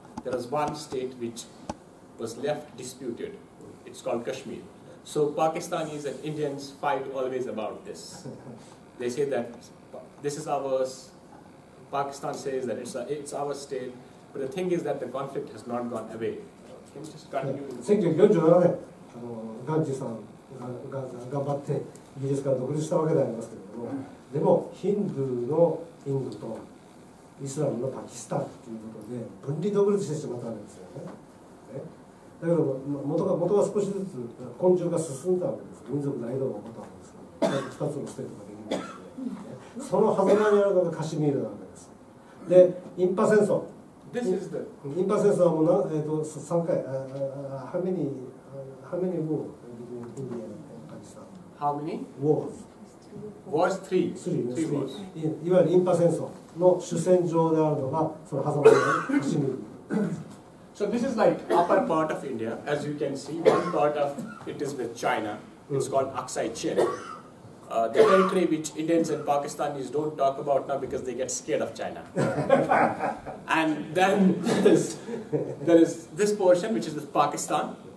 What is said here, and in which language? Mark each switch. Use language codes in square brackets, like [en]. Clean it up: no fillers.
[en] There was one state which was left disputed. It's called Kashmir. So Pakistanis and Indians fight always about this. They say that this is ours. Pakistan says that it's our state. But the thing is that the conflict has not gone away. Can you just continue? [ja] 1947, Gandhi さんが頑張ってイギリスから独立したわけでありますけれども、でもヒンドゥーのインドとイスラムのパキスタンということで分離独立してしまったわけですよね。だけど元は少しずつ混浄が進んだわけです。民族大同が起こったわけですから、2つのステートができるんですね。その狭間にあるのがカシミールなわけです。で、インパ戦争。 [en] This is the... [ja] インパ戦争はもう3回、 [en] how many wars in India and Pakistan? How many? Wars. Was three. Three, three wars. [ja] いわゆるインパ戦争の主戦場であるのがその狭間のカシミール。 [en] So this is like upper part of India. As you can see, one part of it is with China. It's called Aksai Chin. The territory which Indians and Pakistanis don't talk about now because they get scared of China. And then there is this portion which is with Pakistan.